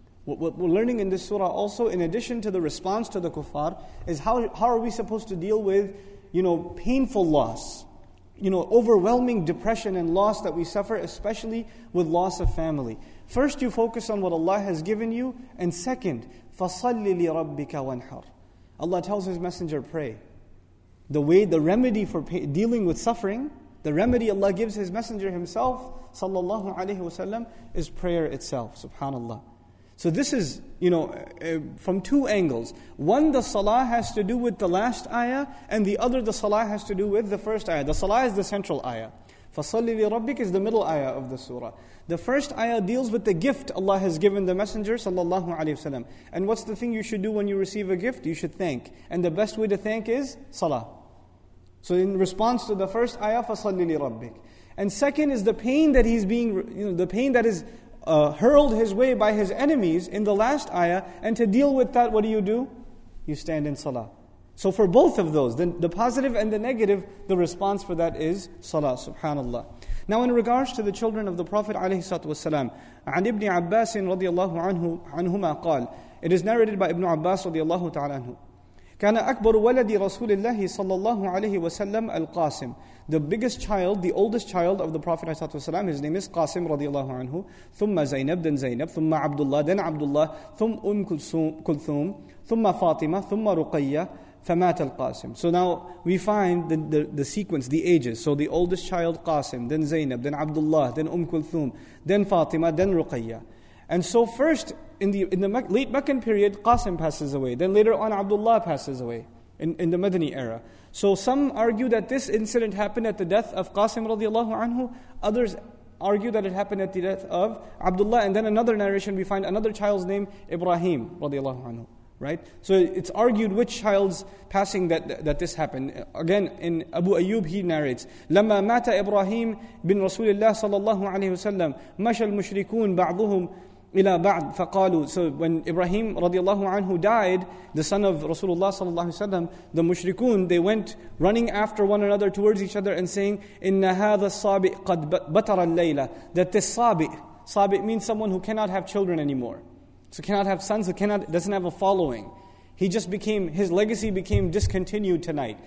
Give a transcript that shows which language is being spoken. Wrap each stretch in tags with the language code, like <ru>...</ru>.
<en>What we're learning in this surah also, in addition to the response to the kuffar, is how are we supposed to deal with, you know, painful loss? You know, overwhelming depression and loss that we suffer, especially with loss of family. First, you focus on what Allah has given you.</en> <ar>And second, فَصَلِّ لِرَبِّكَ وَانْحَرْ.</ar> <en>Allah tells His Messenger, pray. The remedy for dealing with suffering, the remedy Allah gives His Messenger Himself, sallallahu alayhi wasallam, is prayer itself, subhanallah. So this is, you know, from two angles. One, the salah has to do with the last ayah, and the other, the salah has to do with the first ayah. The salah is the central ayah.</en> <ar>فَصَلِّ لِرَبِّكَ</ar> <en>is the middle ayah of the surah. The first ayah deals with the gift Allah has given the Messenger sallallahu alayhi wasallam. And what's the thing you should do when you receive a gift? You should thank. And the best way to thank is salah. So in response to the first ayah,</en> <ar>فَصَلِّ لِرَبِّكَ.</ar> <en>And second is the pain that he's being, you know, the pain that is hurled his way by his enemies in the last ayah. And to deal with that, what do? You stand in salah. So for both of those, the positive and the negative, the response for that is salah, subhanallah. Now in regards to the children of the Prophet</en> <ar>عليه الصلاة والسلام, عن ابن عباس رضي الله عنهما قال,</ar> <en>it is narrated by Ibn Abbas</en> <ar>رضي الله تعالى عنه, كان أكبر ولدي رسول الله صلى الله عليه وسلم القاسم.</ar> <en>The biggest child, the oldest child of the Prophet</en> <ar>عليه الصلاة والسلام,</ar> <en>his name is</en> <ar>قاسم رضي الله عنه, ثم زينب,</ar> <en>then</en> <ar>زينب, ثم عبد الله, then عبد الله, ثم أم كلثوم, ثم فاطمة, ثم رقية, فَمَاتَ الْقَاسِمُ.</ar> <en>So now we find the sequence, the ages. So the oldest child, Qasim, then Zainab, then Abdullah, then Kulthum, then Fatima, then Ruqayya. And so first, in the late Meccan period, Qasim passes away. Then later on, Abdullah passes away in the Madani era. So some argue that this incident happened at the death of Qasim radiallahu anhu. Others argue that it happened at the death of Abdullah. And then another narration, we find another child's name, Ibrahim radiallahu anhu. Right, so it's argued which child's passing that this happened. Again, in Abu Ayyub, he narrates,</en> <ar>لَمَّا مَاتَ إِبْرَاهِيمُ بِنْ رَسُولِ اللَّهِ صَلَى اللَّهُ عَلَيْهِ وَسَلَّمْ مَشَى الْمُشْرِكُونَ بَعْضُهُمْ إِلَى بَعْضٍ فَقَالُوا.</ar> <en>So when Ibrahim</en> <ar>رضي الله عنه</ar> <en>died, the son of Rasulullah</en> <ar>صلى الله عليه وسلم,</ar> <en>the mushrikun, they went running after one another towards each other and saying,</en> <ar>إِنَّ هَذَا الصَّابِئ قَدْ بَطَرَ اللَّيْلَةِ.</ar> <en>That this sabi' means someone who cannot have children anymore. So cannot have sons, doesn't have a following. He just became, his legacy became discontinued tonight.</en>